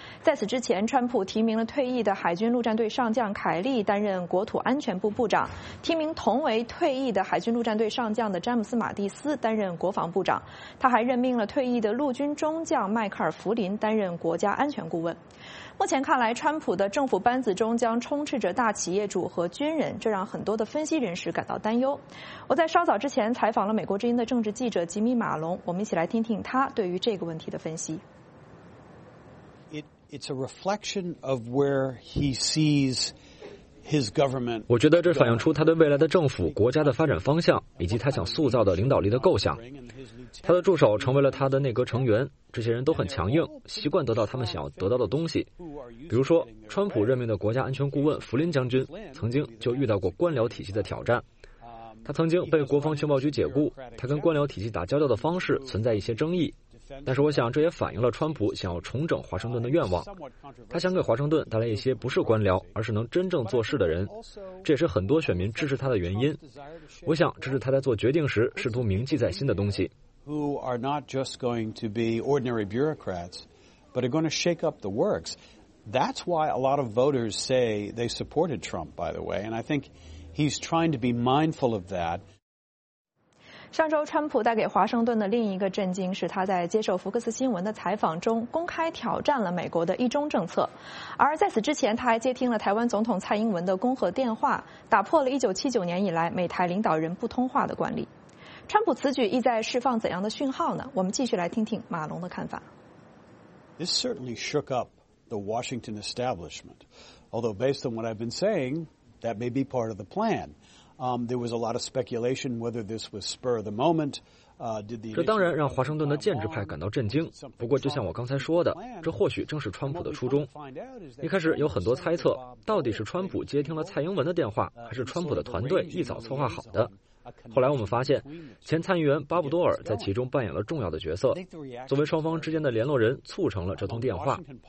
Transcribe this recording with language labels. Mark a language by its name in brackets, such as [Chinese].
[Chinese] 在此之前，川普提名了退役的海军陆战队上将凯利担任国土安全部部长，提名同为退役的海军陆战队上将的詹姆斯·马蒂斯担任国防部长，他还任命了退役的陆军中将迈克尔·弗林担任国家安全顾问。目前看来，川普的政府班子中将充斥着大企业主和军人，这让很多的分析人士感到担忧。我在稍早之前采访了美国之音的政治记者吉米·马龙，我们一起来听听他对于这个问题的分析。 [English] It's a reflection of where he sees his government. [Chinese] 我觉得这反映出他对未来的政府、国家的发展方向，以及他想塑造的领导力的构想。他的助手成为了他的内阁成员，这些人都很强硬，习惯得到他们想要得到的东西。比如说川普任命的国家安全顾问弗林将军曾经就遇到过官僚体系的挑战，他曾经被国防情报局解雇，他跟官僚体系打交道的方式存在一些争议，但是我想这也反映了川普想要重整华盛顿的愿望，他想给华盛顿带来一些不是官僚而是能真正做事的人，这也是很多选民支持他的原因。我想这是他在做决定时试图铭记在心的东西。 [English] Who are not just going to be ordinary bureaucrats, but are going to shake up the works. That's why a lot of voters say they supported Trump, by the way, and I think he's trying to be mindful of that. [Chinese] 上周川普带给华盛顿的另一个震惊是他在接受福克斯新闻的采访中公开挑战了美国的一中政策，而在此之前他还接听了台湾总统蔡英文的恭贺电话，打破了1979年以来美台领导人不通话的惯例。川普此举意在释放怎样的讯号呢？我们继续来听听马龙的看法。 [English] This certainly shook up the Washington establishment, although based on what I've been saying, that may be part of the plan. There was a lot of speculation whether this was spur of the moment. [Chinese] 这当然让华盛顿的建制派感到震惊。不过，就像我刚才说的，这或许正是川普的初衷。一开始有很多猜测，到底是川普接听了蔡英文的电话，还是川普的团队一早策划好的？后来我们发现，前参议员巴布多尔在其中扮演了重要的角色，作为双方之间的联络人，促成了这通电话。